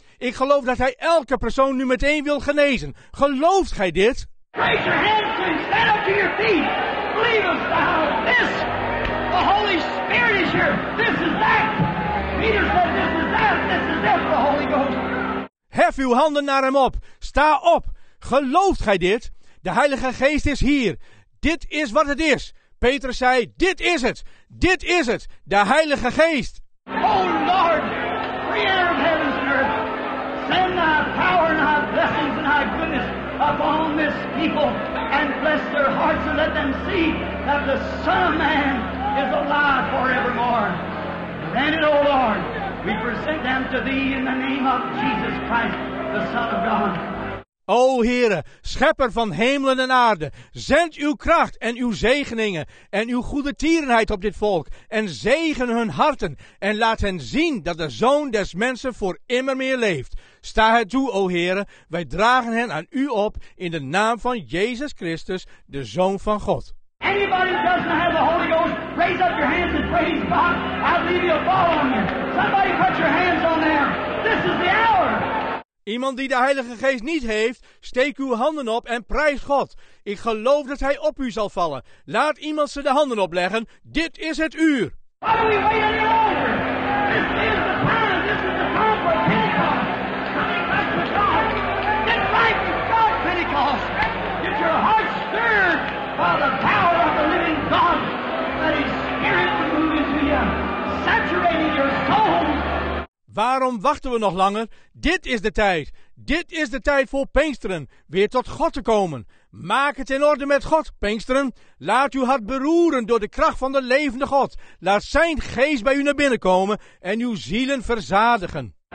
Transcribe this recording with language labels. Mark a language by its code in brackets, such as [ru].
[nl] Ik geloof dat hij elke persoon nu meteen wil genezen. Gelooft gij dit? [en] Raise your hands and stand up to your feet. Believe us now. This, the Holy Spirit is here. This is that. Peter said this is that. This is that, the Holy Ghost. [nl] Hef uw handen naar hem op. Sta op. Gelooft gij dit? De Heilige Geest is hier. Dit is wat het is. Petrus zei, dit is het. Dit is het. De Heilige Geest. [en] O Lord, Creator of heaven and earth, send thy power and thy blessings and thy goodness upon this people and bless their hearts and let them see that the Son of Man is alive forevermore. Grant it, O Lord, we present them to thee in the name of Jesus Christ, the Son of God. [nl] O Heere, Schepper van hemelen en aarde, zend uw kracht en uw zegeningen en uw goede tierenheid op dit volk en zegen hun harten en laat hen zien dat de Zoon des Mensen voor immer meer leeft. Sta het toe, o Heere, wij dragen hen aan u op in de naam van Jezus Christus, de Zoon van God. [en] Anybody who doesn't have the Holy Ghost, raise up your hands and praise God. I'll leave you a ball on you. Somebody put your hands on them. This is the hour. [nl] Iemand die de Heilige Geest niet heeft, steek uw handen op en prijs God. Ik geloof dat hij op u zal vallen. Laat iemand ze de handen opleggen. Dit is het uur. [en] Why are we waiting any longer? This is the time. This is the time for Pentecost. Coming back to God. Get right with God, Pentecost. Get your heart stirred by the power of the living God. Let his spirit move into you, saturating your soul. [nl] Waarom wachten we nog langer? Dit is de tijd. Dit is de tijd voor Pinksteren weer tot God te komen. Maak het in orde met God, Pinksteren. Laat uw hart beroeren door de kracht van de levende God. Laat zijn geest bij u naar binnen komen en uw zielen verzadigen.